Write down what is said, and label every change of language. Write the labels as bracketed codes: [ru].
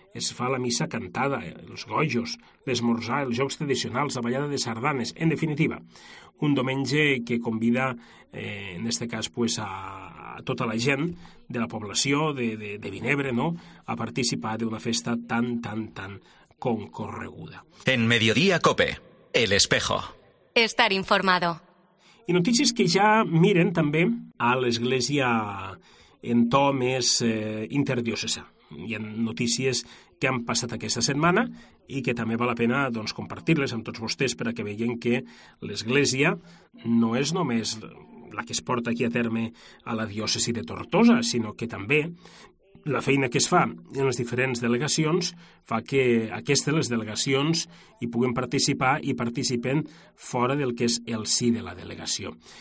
[ca] Es fa la missa cantada, els gojos, l'esmorzar, els jocs tradicionals, la ballada de sardanes. En definitiva, un diumenge que convida, en aquest cas, pues, a tota la gent de la població de Vinebre, no?, a participar d'una festa tan, tan, tan concorreguda. [es] En Mediodía COPE, El Espejo. Estar informado. [ca] I notícies que ja miren també a l'Església en to més interdiocesà. Hi ha notícies que han passat aquesta setmana i que també val la pena doncs, compartir-les amb tots vostès perquè veiem que l'Església no és només la que es porta aquí a terme a la diòcesi de Tortosa, sinó que també la feina que es fa en les diferents delegacions fa que aquestes, les delegacions, hi puguin participar i participen fora del que és el si de la delegació.